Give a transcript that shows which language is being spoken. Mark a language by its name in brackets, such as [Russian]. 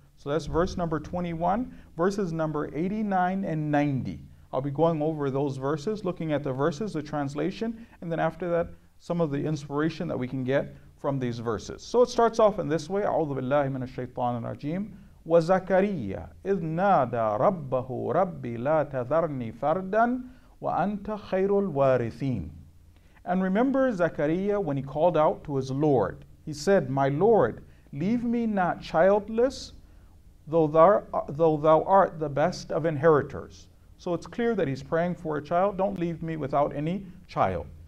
[English] So that's verse number 21, verses number 89 and 90. I'll be going over those verses, looking at the verses, the translation, and then after that, some of the inspiration that we can get from these verses. So it starts off in this way, [Arabic] أعوذ بالله من الشيطان الرجيم. وزكريا إذ نادى ربه ربي لا تذرني فردا وأنت خير الوارثين. [English] And remember Zakaria when he called out to his Lord. He said, my Lord, leave me not childless, though thou art the best of inheritors. So it's clear that he's praying for a child. Don't leave me without any child.